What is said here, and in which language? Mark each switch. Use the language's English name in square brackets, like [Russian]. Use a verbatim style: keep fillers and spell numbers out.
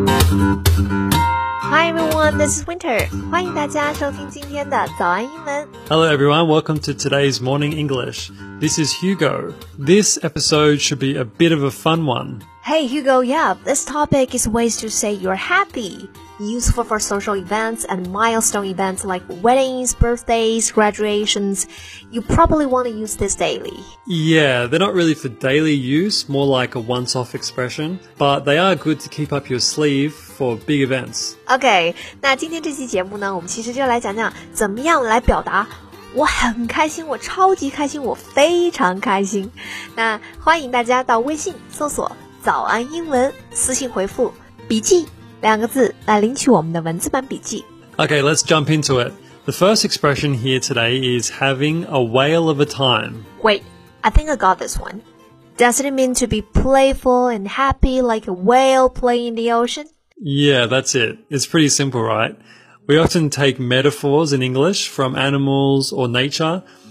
[English] everyone, this is Winter. [Chinese] 欢迎大家收听今天的早安英文。 [English] Hello everyone, welcome to today's Morning English. This is Hugo. This episode should be a bit of a fun one. Hey Hugo, yeah, this topic is ways to say you're happy. Useful for social events and milestone events like weddings, birthdays, graduations. You probably want to use this daily. Yeah, they're not really for daily use, more like a once-off expression, but they are good to keep up your sleeve for big events. [Chinese] Okay, 那今天这期节目呢，我们其实就来讲讲怎么样来表达我很开心，我超级开心，我非常开心。那欢迎大家到微信搜索早安英文，私信回复笔记两个字来领取我们的文字版笔记。 [English] Okay, let's jump into it. The first expression here today is having a whale of a time. Wait, I think I got this one. Doesn't it mean to be playful and happy like a whale playing in the ocean? Yeah, that's it. It's pretty simple, right? We often take metaphors in English from animals or nature.